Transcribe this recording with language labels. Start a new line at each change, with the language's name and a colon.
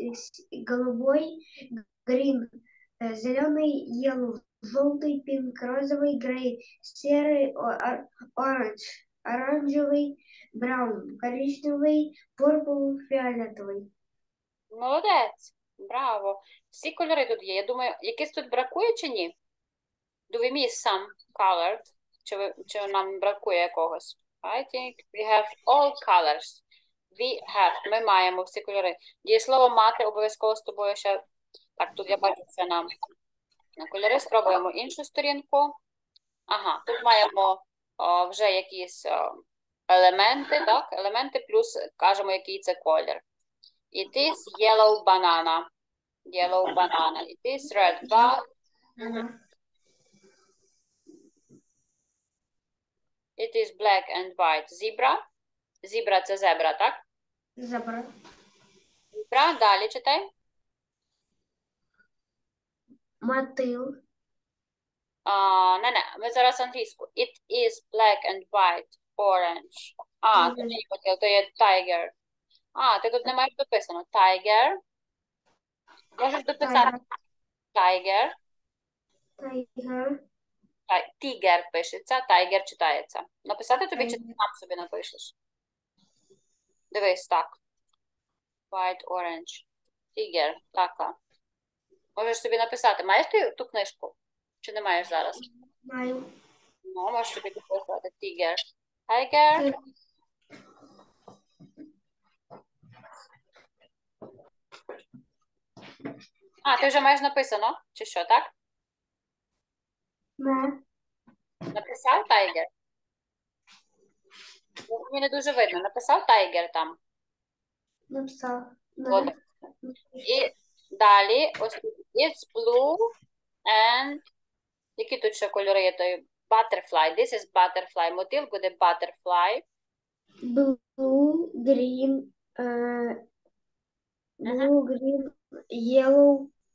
Ukrainian: – голубой, green – зелений, yellow – жовтий, pink – розовий, gray – серий, orange. Оранжевий, браун, коричневий, пурпур, фіолетовий. Молодець! Браво! Всі кольори тут є. Я думаю, якийсь тут бракує чи ні?
English: Do we miss some colored?
Ukrainian: Чи нам бракує якогось?
English: I think we have all colors. We have.
Ukrainian: Ми маємо всі кольори. Дієслово мати обов'язково з тобою ще. Так, тут я бачу це нам. На кольори спробуємо іншу сторінку. Ага, тут маємо вже якісь елементи, так? Елементи плюс кажемо, який це колір.
English: It is yellow banana. Yellow banana. It is red. It is black and white. Zebra.
Ukrainian: Zebra – це зебра, так? Зебра. Зебра. Далі читай. Мотил. Не-не, ми зараз англійську.
English: It is black and white, orange.
Ukrainian: А, це не мотил, то є tiger. А, ти тут не маєш дописано. Tiger. Можеш дописати. Tiger.
English: Tiger.
Ukrainian: Тігер пишеться, тайгер читається. Написати тобі, чи ти сам собі напишеш? Дивись, так. White, orange. Тігер, така. Можеш собі написати. Маєш ти ту книжку? Чи не маєш зараз? Маю. Ну, можеш собі написати. Тігер. Тайгер. А, ти вже маєш написано? Чи що, так? Не. Написав тайгер? Мені не дуже видно. Написав тайгер там? Написав. Вот. І далі.
English: Ось, it's blue and...
Ukrainian: Які тут ще кольори є?
English: Той butterfly. This is butterfly.
Ukrainian: Мотил буде
English: butterfly. Blue, green, blue, green, yellow.